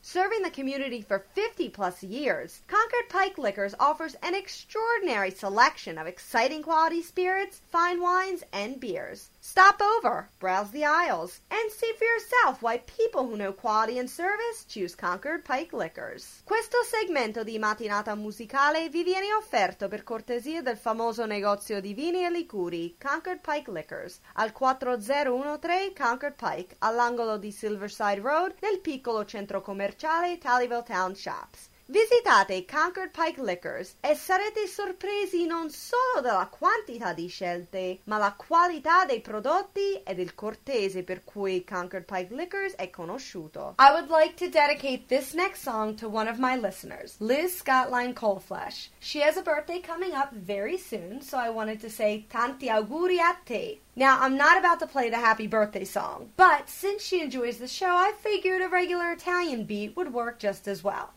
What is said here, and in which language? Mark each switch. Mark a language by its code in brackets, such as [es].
[en] Serving the community for 50-plus years, Concord Pike Liquors offers an extraordinary selection of exciting quality spirits, fine wines, and beers. Stop over, browse the aisles, and see for yourself why people who know quality and service choose Concord Pike Liquors. [it] Questo segmento di Mattinata Musicale vi viene offerto per cortesia del famoso negozio di vini e liquori, Concord Pike Liquors, al 4013 Concord Pike, all'angolo di Silverside Road, nel piccolo centro commerciale Tallyville Town Shops. Visitate Concord Pike Liquors e sarete sorpresi non solo dalla quantità di scelte, ma la qualità dei prodotti e del cortese per cui Concord Pike Liquors è conosciuto. [en] I would like to dedicate this next song to one of my listeners, Liz Scottline Coalflesh. She has a birthday coming up very soon, so I wanted to say [it] tanti auguri a te. [en] Now, I'm not about to play the happy birthday song, but since she enjoys the show, I figured a regular Italian beat would work just as well.